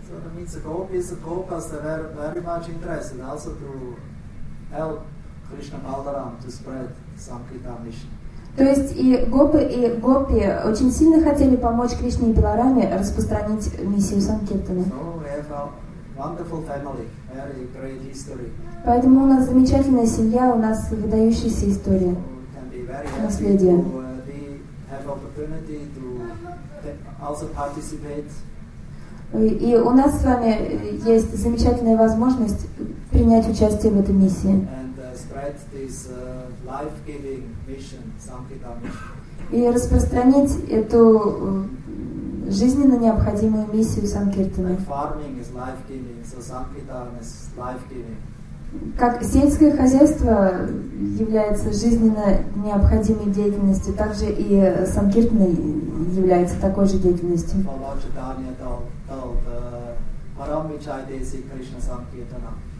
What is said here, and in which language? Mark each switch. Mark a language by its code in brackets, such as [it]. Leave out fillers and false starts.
[en] So that means the gopis and gopas are very, very much interested also to help Krishna Balaram to spread Sankirtan mission. [ru] То есть и гопы, и гопи очень сильно хотели помочь Кришне и Баларами распространить миссию Санкиртана. [en] So we have a wonderful family, very great history. [ru] Поэтому у нас замечательная семья, у нас выдающаяся история, наследие. [en] So we have opportunity to also participate. [ru] И у нас с вами есть замечательная возможность принять участие в этой миссии. [en] This life-giving mission, Sankirtan mission. [ru] И распространить эту жизненно необходимую миссию санкиртаны. [en] Like farming is life-giving, so sankirtan is life-giving. [ru] Как сельское хозяйство является жизненно необходимой деятельностью, так же и санкиртана является такой же деятельностью. [en] For Lord Chaitanya told the Paramvichai Desi Krishna Sankirtana.